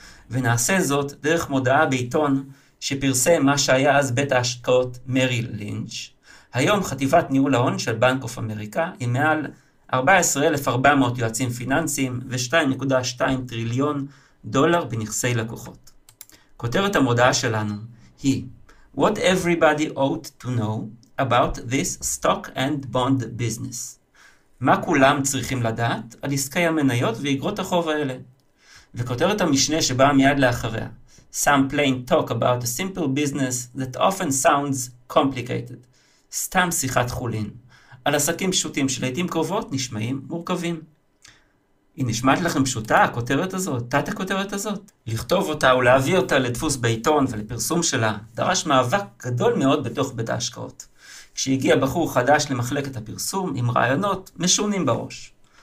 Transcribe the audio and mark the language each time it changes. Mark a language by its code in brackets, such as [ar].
[he] ונעשה זאת דרך מודעה בעיתון שפרסם מה שהיה אז בית ההשקעות מריל לינץ', היום חטיבת ניהול ההון של בנק אוף אמריקה עם מעל 14,400 יועצים פיננסיים ו-2.2 טריליון דולר בנכסי לקוחות. כותרת המודעה שלנו היא [en] What everybody ought to know about this stock and bond business. [he] מה כולם צריכים לדעת על עסקי המניות ואגרות החוב האלה? וכותרת המשנה שבאה מיד לאחריה [en] Some plain talk about a simple business that often sounds complicated. [he] סתם שיחת חולין. על עסקים פשוטים שלעיתים קרובות נשמעים מורכבים. היא נשמעת לכם פשוטה, הכותרת הזאת, תת הכותרת הזאת? לכתוב אותה ולהביא אותה לדפוס בעיתון ולפרסום שלה דרש מאבק גדול מאוד בתוך בית ההשקעות. כשהגיע בחור חדש למחלקת הפרסום עם רעיונות משונים בראש.